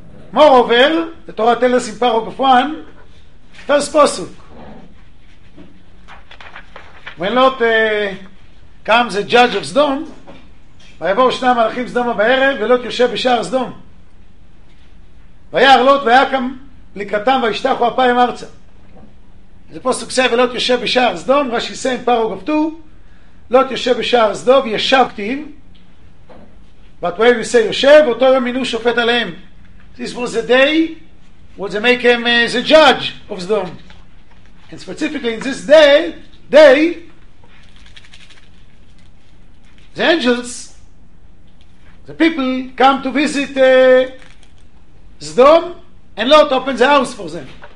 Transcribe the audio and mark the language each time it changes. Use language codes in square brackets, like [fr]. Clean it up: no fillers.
[en] Moreover, the Torah tells us in paragraph 1, first pasuk, when Lot comes the judge of Sodom, [he] ויבואו שני המלאכים סדומה בערב, ולוט יושב בשער סדום. ויער לוט ויקם לקראתם וישתחו אפיים ארצה. זה פסוק זה, ולוט יושב בשער סדום, רש"י סיים פרוגף טו, לוט יושב בשער סדום, ישב כתיב, [en] but where you say [he] יושב, אותו יום מינו שופט עליהם. [en] This was the day what they make him the judge of Sodom. And specifically in this day, the angels, the people come to visit Sodom, and Lot opens the house for them.